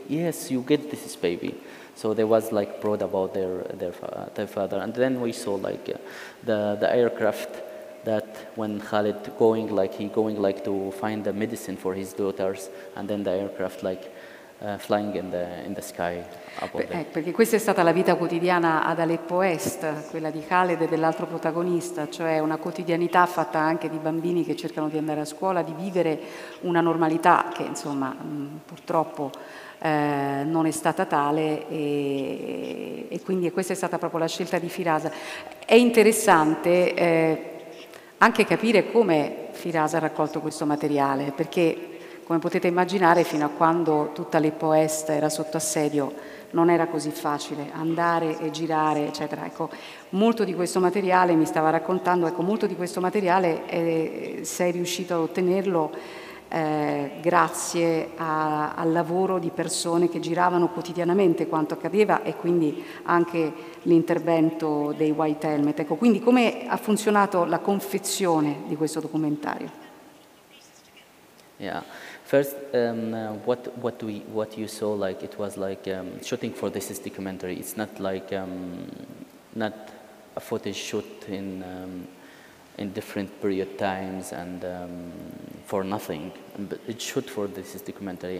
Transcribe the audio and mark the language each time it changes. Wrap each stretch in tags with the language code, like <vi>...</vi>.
<en>Yes, you get this is baby. So they was like brought about their father, and then we saw like the aircraft that when Khalid going like he going like to find the medicine for his daughters, and then the aircraft like flying in the sky above.</en> <it>Perché questa è stata la vita quotidiana ad Aleppo Est, quella di Khalid e dell'altro protagonista, cioè una quotidianità fatta anche di bambini che cercano di andare a scuola, di vivere una normalità che insomma purtroppo non è stata tale, e quindi questa è stata proprio la scelta di Firas. È interessante anche capire come Firas ha raccolto questo materiale, perché come potete immaginare fino a quando tutta l'Aleppo Est era sotto assedio non era così facile andare e girare, eccetera. Ecco, molto di questo materiale mi stava raccontando, ecco, molto di questo materiale sei riuscito ad ottenerlo grazie al lavoro di persone che giravano quotidianamente quanto accadeva, e quindi anche l'intervento dei White Helmet. Ecco, quindi come ha funzionato la confezione di questo documentario?</it> <en>Yeah, first what you saw, like it was like shooting for this documentary. It's not like not a footage shoot in different period times and for nothing, but it shoot for this documentary.</en>